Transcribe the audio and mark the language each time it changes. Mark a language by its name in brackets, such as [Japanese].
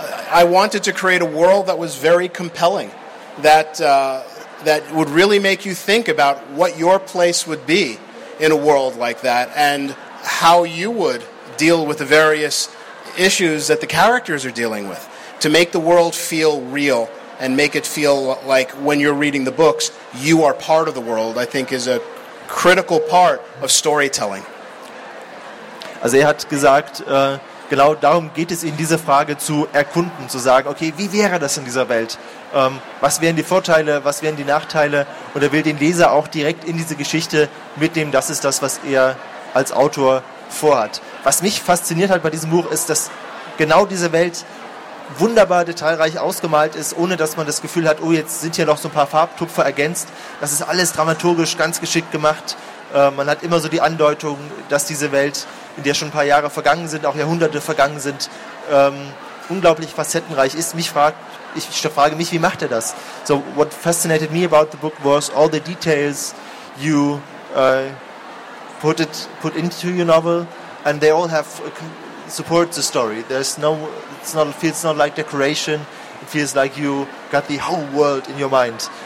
[English] I wanted to create a world that was very compelling, that would really make you think about what your place would be in a world like that and how you would deal with the various issues that the characters are dealing with, to make the world feel real and make it feel like when you're reading the books, you are part of the world, I think is a critical part of storytelling. [German] Also er hat gesagt, genau darum geht es in dieser Frage zu erkunden, zu sagen, okay, wie wäre das in dieser Welt? Was wären die Vorteile, was wären die Nachteile? Und er will den Leser auch direkt in diese Geschichte mitnehmen, das ist das, was er als Autor vorhat. Was mich fasziniert hat bei diesem Buch, ist, dass genau diese Welt wunderbar detailreich ausgemalt ist, ohne dass man das Gefühl hat, oh, jetzt sind hier noch so ein paar Farbtupfer ergänzt. Das ist alles dramaturgisch ganz geschickt gemacht. Man hat immer so die Andeutung, dass diese Welt, in der schon ein paar Jahre vergangen sind, auch Jahrhunderte vergangen sind, unglaublich facettenreich ist. Ich frage mich, wie macht er das? [English] So, what fascinated me about the book was all the details you put into your novel, and they all have support the story. It feels not like decoration. It feels like you got the whole world in your mind.